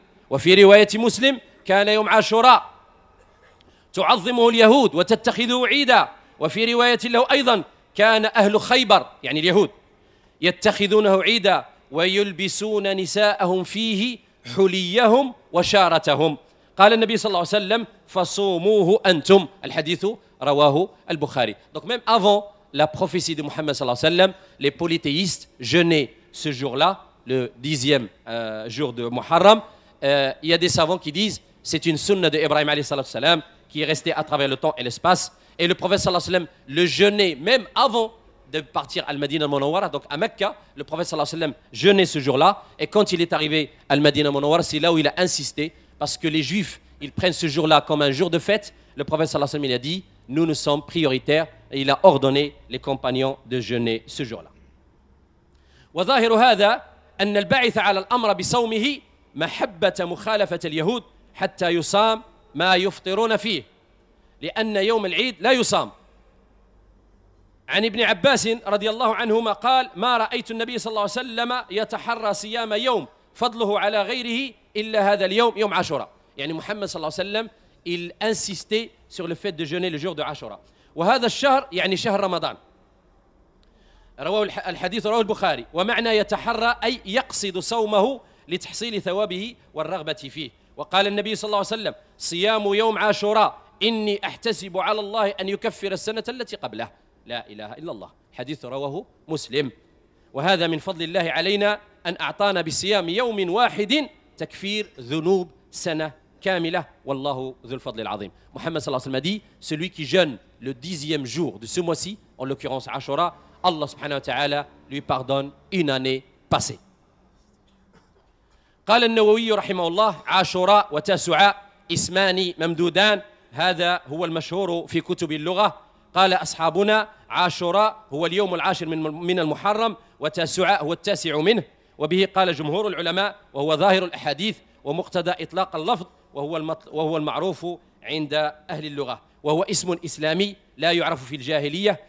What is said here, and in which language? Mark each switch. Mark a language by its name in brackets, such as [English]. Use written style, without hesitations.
[Arabic] وفي رواية مسلم كان يوم عاشوراء تعظمه اليهود وتتخذه عيدا. وفي رواية له أيضاً كان أهل خيبر يعني اليهود يتخذونه عيدا ويلبسون نساءهم فيه حليهم وشارتهم. قال النبي صلى الله عليه وسلم فصوموه أنتم. الحديث رواه البخاري. [French] Donc même avant la prophétie de Muhammad صلى الله عليه وسلم, les polythéistes jeûnaient ce jour-là, le dixième jour de Muharram. Il y a des savants qui disent c'est une sunna de Ibrahim عليه الصلاة والسلام qui est restée à travers le temps et l'espace. Et le prophète sallallahu alayhi wa sallam le jeûnait même avant de partir à Al-Madina Munawwara, donc à Mecca. Le prophète sallallahu alayhi wa sallam jeûnait ce jour-là. Et quand il est arrivé à Al-Madina Munawwara, c'est là où il a insisté. Parce que les juifs, ils prennent ce jour-là comme un jour de fête. Le prophète sallallahu alayhi wa sallam, il a dit, nous nous sommes prioritaires. Et il a ordonné les compagnons de jeûner ce jour-là. [Arabic] Wa zahiru hadha anna al-ba'itha 'ala al-amra bi sawmihi mahabbata mukhalafati al-yahud hatta yusam ma yuftiruna fihi. لأن يوم العيد لا يصام. عن ابن عباس رضي الله عنهما قال ما رأيت النبي صلى الله عليه وسلم يتحرى صيام يوم فضله على غيره إلا هذا اليوم يوم عاشوراء. يعني محمد صلى الله عليه وسلم [French] il insistait sur le fait de jeûner le jour de عاشوراء. [Arabic] وهذا الشهر يعني شهر رمضان. رواه الحديث رواه البخاري. ومعنى يتحرى أي يقصد صومه لتحصيل ثوابه والرغبة فيه. وقال النبي صلى الله عليه وسلم صيام يوم عاشوراء إني أحتسب على الله أن يكفر السنة التي قبله. لا إله إلا الله. حديث رواه مسلم. وهذا من فضل الله علينا أن أعطانا بصيام يوم واحد تكفير ذنوب سنة كاملة والله ذو الفضل العظيم. [French] محمد صلى الله عليه وسلم دي celui qui jeûne le dixième jour de ce mois-ci en l'occurrence عاشوراء [Arabic] الله سبحانه وتعالى [French] lui pardonne une année passée. [Arabic] قال النووي رحمه الله عاشوراء وتاسعاء اسمان ممدودان هذا هو المشهور في كتب اللغة. قال أصحابنا عاشوراء هو اليوم العاشر من المحرم وتاسعاء هو التاسع منه. وبه قال جمهور العلماء وهو ظاهر الأحاديث ومقتضى إطلاق اللفظ وهو المعروف عند أهل اللغة وهو اسم إسلامي لا يعرف في الجاهلية.